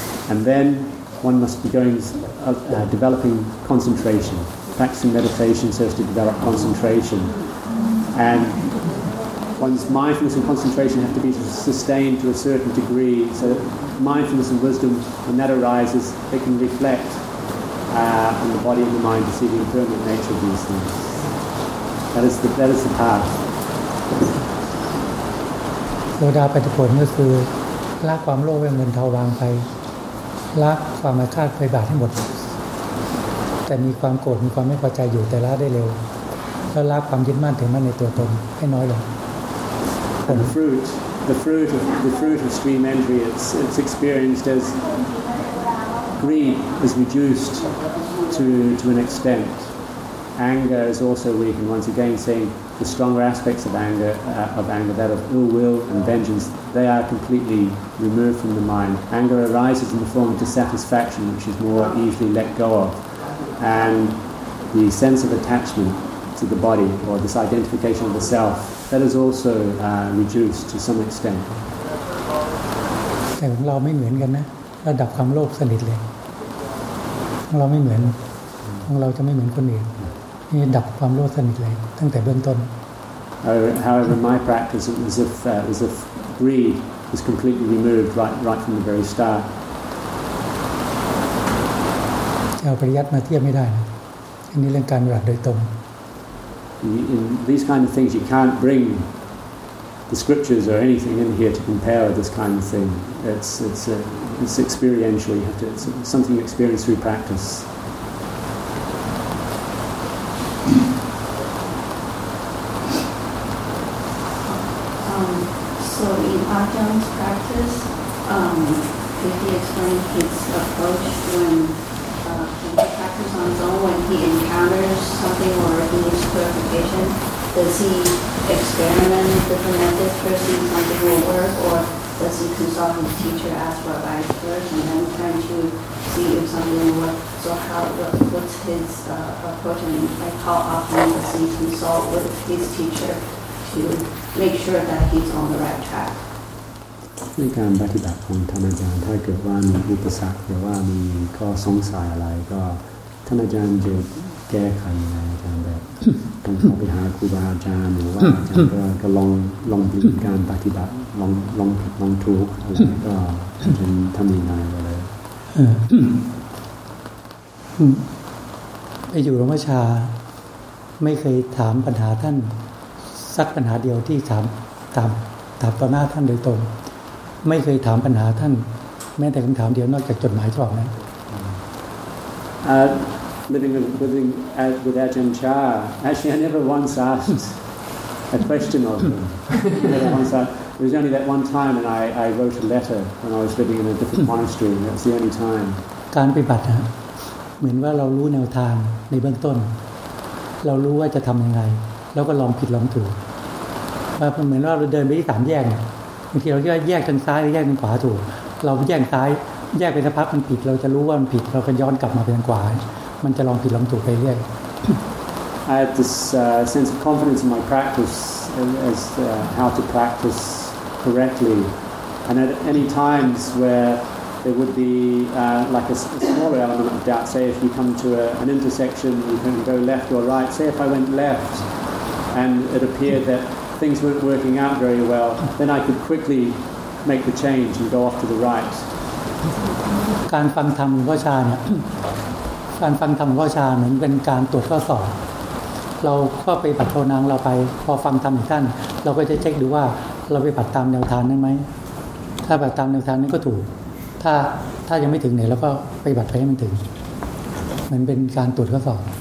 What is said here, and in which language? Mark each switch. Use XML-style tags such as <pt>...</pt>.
<en>And then one must be going, developing concentration, practicing meditation so as to develop concentration. And... One's mindfulness and concentration have to be sustained to a certain degree. So mindfulness and wisdom, when that arises, they can reflect on the body and the mind to see the impermanent nature of these things. That is the path.</en> <th>โสดาปัตติผลก็คือละความโลภให้เงินเทาบางไปละความอาฆาตพยาบาทให้หมด แต่มีความโกรธมีความไม่พอใจอยู่แต่ละได้เร็วแล้วละความยึดมั่นถือมั่นในตัวตนให้น้อยลง</th> <en>And the fruit of stream entry it's experienced as greed is reduced to an extent. Anger is also weakened. Once again, saying the stronger aspects of anger, that of ill will and vengeance, they are completely removed from the mind. Anger arises in the form of dissatisfaction, which is more easily let go of. And the sense of attachment to the body, or this identification of the self, that is also reduced to some extent.</en> <th>แต่ของเราไม่เหมือนกันนะระดับความโลภสนิทเลยของเราไม่เหมือนของเราจะไม่เหมือนคนอื่นนี่ดับความโลภสนิทเลยตั้งแต่เบื้องต้น</th> <en>However, my practice was as if greed was completely removed right from the very start.</en> <th>เอาปริยัติมาเทียบไม่ได้นะอันนี้เรื่องการปฏิบัติโดยตรง</th> <en>In these kind of things, you can't bring the scriptures or anything in here to compare with this kind of thing. It's experiential. You have to. It's something you experience through practice. So in Ajahn's practice, did he explain his approach when he practices on his own, when he encounters something or he needs clarification, does he experiment with different methods first, see if something will work, or does he consult his teacher, ask for advice first, and then try to see if something will work? So what's his approach, and like how often does he consult with his teacher to make sure that he's on the right track?</en> <th>ในการปฏิบัติของท่านอาจารย์ถ้าเกิดว่ามีอุปสรรคหรือว่ามีข้อสงสัยอะไรก็ท่านอาจารย์จะแก้ไขยังไงอาจารย์แบบต้องไปหาครูบาอาจารย์หรือว่าอาจารย์ก็ลองดูการปฏิบัติลองผิดลองถูกอะไรก็จะทำยังไงอะไร ไปอยู่หลวงพ่อชาไม่เคยถามปัญหาท่านสักปัญหาเดียวที่ถามต่อหน้าท่านโดยตรงไม่เคยถามปัญหาท่านแม้แต่คำถามเดียวนอกจากจดหมายฉบับนั้น</th> <en>Living with Ajahn Chah, actually I never once asked a question of him. Never once asked. It was only that one time, and I wrote a letter when I was living in a different monastery. That was the only time.</en> <th>การปฏิบัติเหมือนว่าเรารู้แนวทางในเบื้องต้นเรารู้ว่าจะทำยังไงแล้วก็ลองผิดลองถูกมันเหมือนว่าเราเดินไปที่สามแยกบางทีเราแยกทางซ้ายหรือแยกทางขวาถูกเราแยกซ้ายแยกไปสักพักมันผิดเราจะรู้ว่ามันผิดเราก็ย้อนกลับมาไปทางขวามันจะลองผิดลองถูกไปเรื่อย</th> <en>I have this sense of confidence in my practice as how to practice correctly and at any times where there would be like a smaller element of doubt say if you come to an intersection you can go left or right say if I went left and it appeared thatthings weren't working out very well then I could quickly make the change and go off to the right</en> <th>การฟังธรรมพ่อชาเนี่ยการฟังธรรมพ่อชาเหมือนเป็นการตรวจข้อสอบเราก็ไปปฏิโทนังเราไปพอฟังธรรมท่านเราก็จะเช็คดูว่าเราไปปฏิตามแนวทางนั้นมั้ยถ้าปฏิตามแนวทางนั้นก็ถูกถ้ายังไม่ถึงไหนแล้วก็ไปปฏิบัติให้มันถึงมันเป็นการตรวจข้อสอบ</th>